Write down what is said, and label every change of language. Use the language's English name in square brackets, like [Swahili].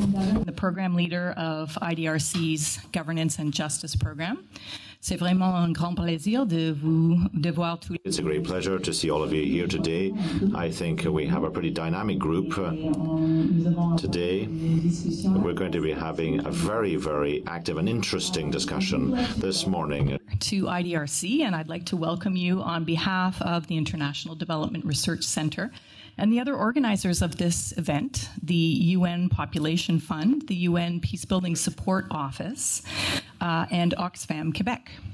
[English] I'm the program leader of IDRC's Governance and Justice Program. [French] C'est vraiment un grand plaisir de vous de voir tous. [English] It's a great pleasure to see all of you here today. I think we have a pretty dynamic group today. We're going to be having a very, very active and interesting discussion this morning. To IDRC, and I'd like to welcome you on behalf of the International Development Research Center and the other organizers of this event, the UN Population Fund, the UN Peacebuilding Support Office, and Oxfam Quebec.